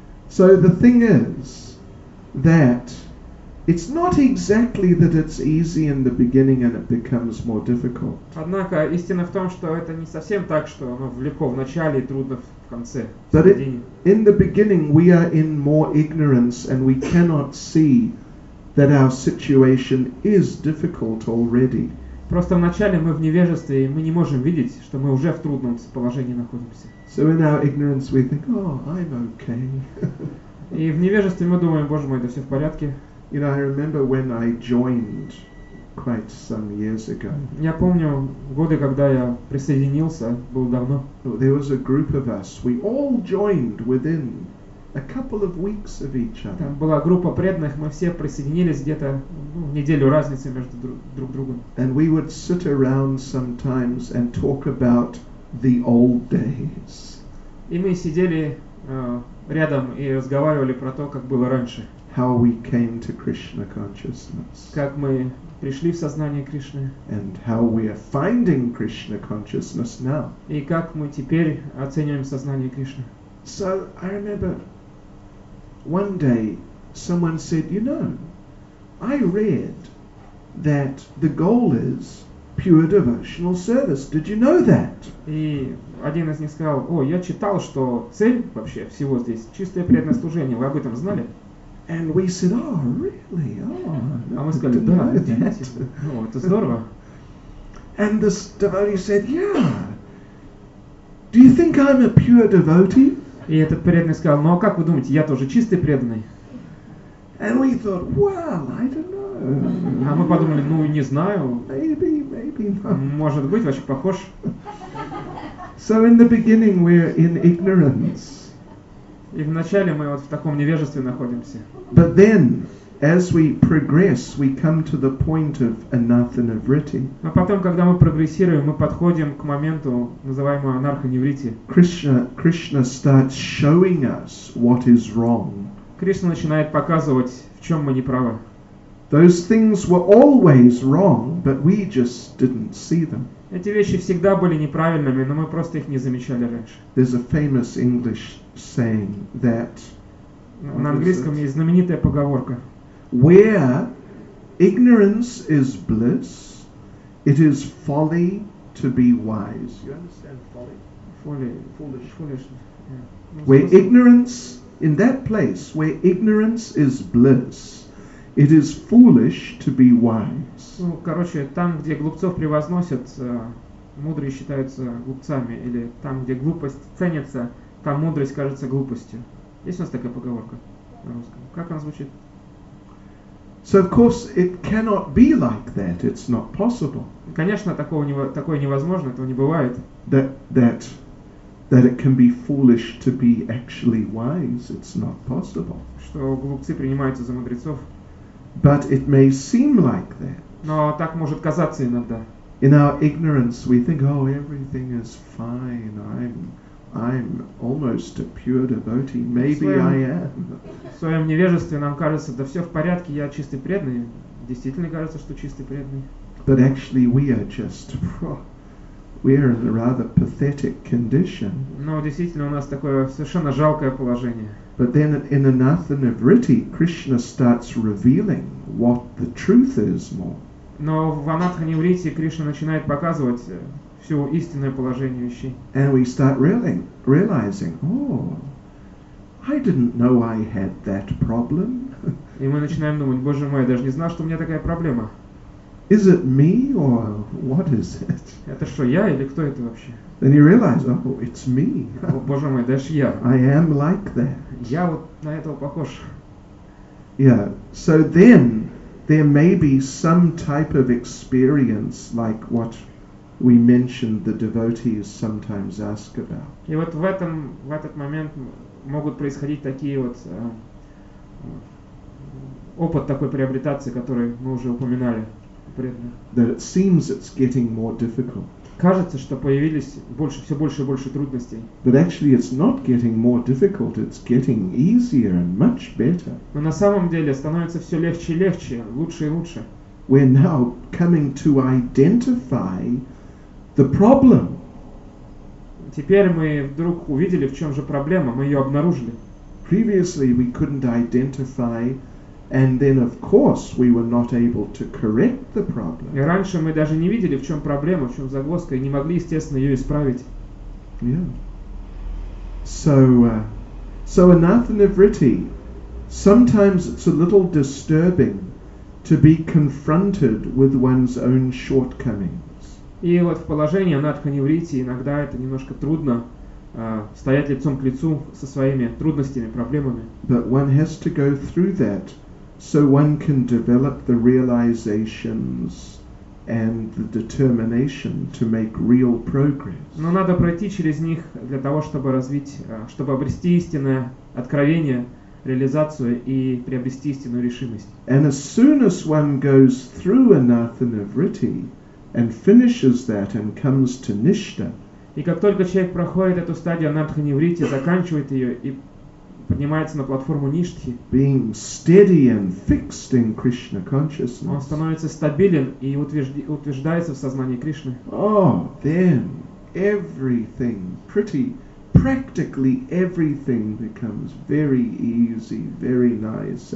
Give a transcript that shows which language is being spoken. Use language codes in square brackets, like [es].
[en] So the thing is that it's not exactly that it's easy in the beginning and it becomes more difficult. [ru] Однако истина в том, что это не совсем так, что оно легко в начале и трудно в конце. [en] But in the beginning we are in more ignorance and we cannot see that our situation is difficult already. [ru] Просто в начале мы в невежестве и мы не можем видеть, что мы уже в трудном положении находимся. [en] So in our ignorance we think, oh, I'm okay. [ru] И в невежестве мы думаем, Боже мой, да все в порядке. [en] You know, I remember when I joined quite some years ago. [ru] Я помню годы, когда я присоединился, было давно. [en] There was a group of us. We all joined within a couple of weeks of each other. [ru] Там была группа преданных, мы все присоединились где-то в неделю разницы между друг другом. [en] And we would sit around sometimes and talk about the old days. [ru] И мы сидели рядом и разговаривали про то, как было раньше. [en] how we came to Krishna consciousness. [ru] Как мы пришли в сознание Кришны. [en] And how we are finding Krishna consciousness now. [ru] И как мы теперь оцениваем сознание Кришны. [en] So I remember one day someone said, you know, I read that the goal is pure devotional service. Did you know that? [ru] И один из них сказал: "О, я читал, что цель вообще всего здесь чистое преданное служение. Вы об этом знали?" [en] And we said, "Oh, really? Oh, [ru] а мы сказали: "Да, это здорово." [en] And this devotee said, "Yeah. Do you think I'm a pure devotee?" [ru] И этот преданный сказал: "Ну а как вы думаете, я тоже чистый преданный?" [en] And we thought, "Well, I don't know." [ru] А мы подумали, ну не знаю. [en] Maybe, maybe not. [ru] Может быть, очень похож. [en] So in the beginning we're in ignorance. [ru] И вначале мы вот в таком невежестве находимся. [en] But then, as we progress, we come to the point of anarthanivritti. [ru] А потом, когда мы прогрессируем, мы подходим к моменту, называемому анарха-нивритти. [en] Krishna starts showing us what is wrong. [ru] Кришна начинает показывать, в чем мы неправы. [en] Those things were always wrong, but we just didn't see them. [ru] Эти вещи всегда были неправильными, но мы просто их не замечали раньше. [en] There's a famous English saying that. [ru] На английском есть знаменитая поговорка. [en] Where ignorance is bliss, it is folly to be wise. You understand folly? Folly. Foolish. Yeah. Where ignorance in that place, where ignorance is bliss. It is foolish to be wise. [ru] Ну, короче, там, где глупцов превозносят, мудрые считаются глупцами, или там, где глупость ценится, там мудрость кажется глупостью. Есть у нас такая поговорка на русском? Как она звучит? [en] So of course it cannot be like that. It's not possible. [ru] Конечно, такое невозможно, этого не бывает. [en] That it can be foolish to be actually wise. It's not possible. [ru] Что глупцы принимаются за мудрецов? [en] But it may seem like that. [ru] Но так может казаться иногда. [en] In our ignorance, we think, "Oh, everything is fine. I'm almost a pure devotee. Maybe I am." [ru] В своем невежестве нам кажется, да все в порядке, я чистый преданный. Действительно кажется, что чистый преданный. [en] But actually, we are in a rather pathetic condition. [ru] Но действительно, у нас такое совершенно жалкое положение. [en] But then in Anarthanivritti, Krishna starts revealing what the truth is more. [ru] Но в Анатханивритти Кришна начинает показывать все истинное положение вещей. [en] And we start realizing, oh, I didn't know I had that problem. [ru] И мы начинаем думать, боже мой, я даже не знал, что у меня такая проблема. [en] Is it me or what is it? [ru] Это что, я или кто это вообще? [en] Then you realize, oh, it's me. [ru] О, боже мой, это ж я. [en] I am like that. [ru] Я вот на этого похож. [en] Yeah. So then there may be some type of experience like what we mentioned the devotees sometimes ask about. [ru] И вот в этот момент могут происходить такие вот опыт такой приобретаться, который мы уже упоминали. [en] That it seems it's getting more difficult. [ru] Кажется, что появились больше, все больше и больше трудностей. [en] But actually, it's not getting more difficult. It's getting easier and much better. [ru] Но на самом деле становится все легче и легче, лучше и лучше. [en] We're now coming to identify the problem. [ru] Теперь мы вдруг увидели, в чем же проблема. Мы ее обнаружили. [en] Previously, we couldn't identify. And then, of course, we were not able to correct the problem. [ru] И раньше мы даже не видели, в чем проблема, в чем загвоздка, и не могли, естественно, ее исправить. [en] Yeah. So Anarthanivritti, sometimes it's a little disturbing to be confronted with one's own shortcomings. [ru] И вот в положении Анарханивритти иногда это немножко трудно. Стоять лицом к лицу со своими трудностями, проблемами. [en] But one has to go through that. So one can develop the realizations and the determination to make real progress. [ru] Но надо пройти через них для того, чтобы развить, чтобы обрести истинное откровение, реализацию и приобрести истинную решимость. [en] And as soon as one goes through Anarthanivritti and finishes that and comes to Nishta. [ru] И как только человек проходит эту стадию Анарханивритти, заканчивает ее и поднимается на платформу ништхи, [en] being steady and fixed in Krishna consciousness, [ru] он становится стабилен и утверждается в сознании Кришны. [en] Oh, then everything, pretty, practically everything becomes very easy, very nice.